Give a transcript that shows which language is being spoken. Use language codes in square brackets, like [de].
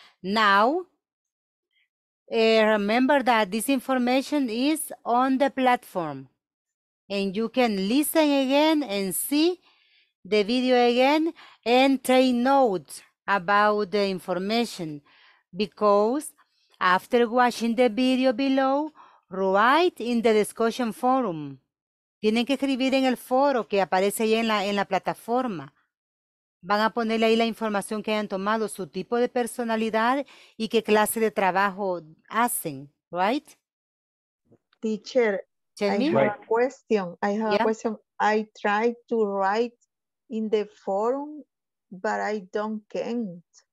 [en] Now, remember that this information is on the platform and you can listen again and see the video again and take notes about the information, because after watching the video below, write in the discussion forum. [es] Tienen que escribir en el foro que aparece ahí en la plataforma. Van a ponerle ahí la información que hayan tomado, su tipo de personalidad y qué clase de trabajo hacen, right? [en] Teacher, I have a question. I tried to write in the forum, but I don't can't.